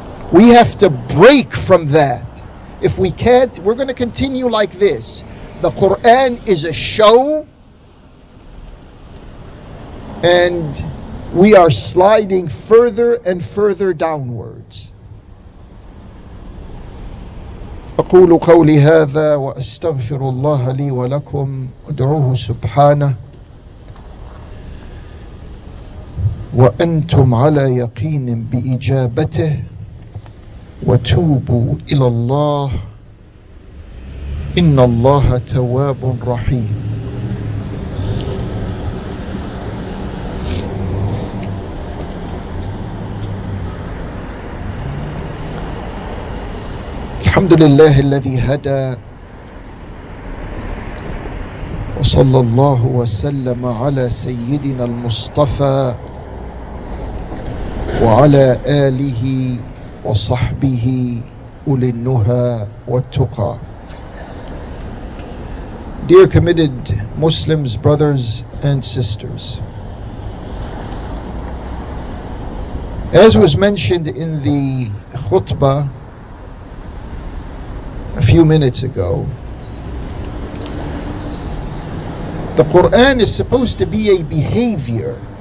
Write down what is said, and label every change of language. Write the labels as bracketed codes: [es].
[en] We have to break from that. If we can't, we're going to continue like this. The Quran is a show, and we are sliding further and further downwards. [ar] أقول قولي هذا وأستغفر الله لي ولكم أدعوه سبحانه وأنتم على يقين بإجابته وتوبوا إلى الله إن الله تواب رحيم. الحمد لله الذي هدى وصلى الله وسلم على سيدنا المصطفى وعلى آله وصحبه أولي النهى والتقى. [en] Dear committed Muslims, brothers and sisters, as was mentioned in the khutbah a few minutes ago, the Quran is supposed to be a behavior.